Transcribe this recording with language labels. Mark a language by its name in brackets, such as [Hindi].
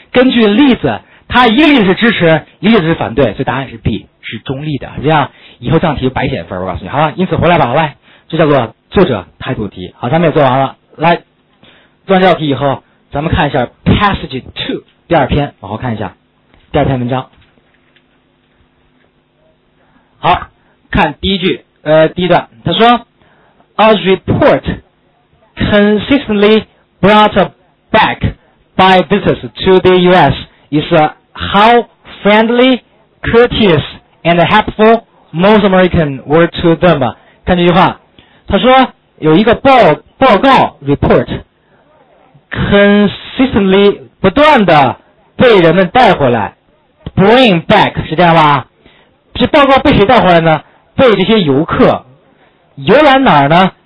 [Chinese] 根据例子，它一个例子是支持，一个例子是反对，所以答案是 B， 是中立的。这样以后这样题白写分，我告诉你，好吧？因此回来吧，来，这叫做作者态度题。好，咱们也做完了。来，做完这道题以后，咱们看一下 Passage 2， 第二篇，往后看一下第二篇文章。好，看第一句，第一段，他说 [English] ，A report consistently brought back by visitors to the U.S. is how friendly, courteous, and helpful most Americans were to them. [Chinese] 看这句话，他说有一个报告 [English] report consistently [Chinese] 不断的被人们带回来 ，bring back 是这样吧？这报告被谁带回来呢？被这些游客，游览哪儿呢？